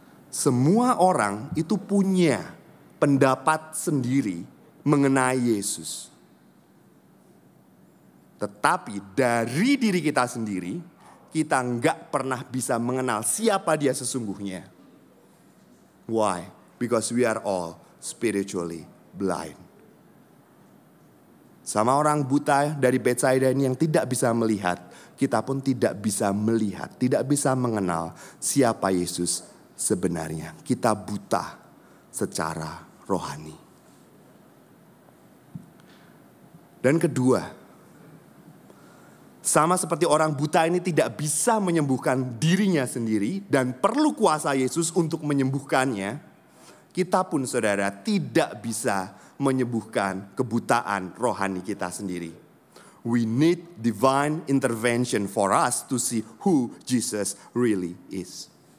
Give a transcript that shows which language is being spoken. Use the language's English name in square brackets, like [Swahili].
[Indonesian] Semua orang itu punya pendapat sendiri mengenai Yesus. Tetapi dari diri kita sendiri, kita enggak pernah bisa mengenal siapa dia sesungguhnya. [English] Why? Because we are all spiritually blind. [Indonesian] Sama orang buta dari Betsaida ini yang tidak bisa melihat, kita pun tidak bisa melihat, tidak bisa mengenal siapa Yesus sebenarnya. Kita buta secara rohani. Dan kedua, sama seperti orang buta ini tidak bisa menyembuhkan dirinya sendiri dan perlu kuasa Yesus untuk menyembuhkannya, kita pun saudara tidak bisa menyembuhkan kebutaan rohani kita sendiri. [English] We need divine intervention for us to see who Jesus really is.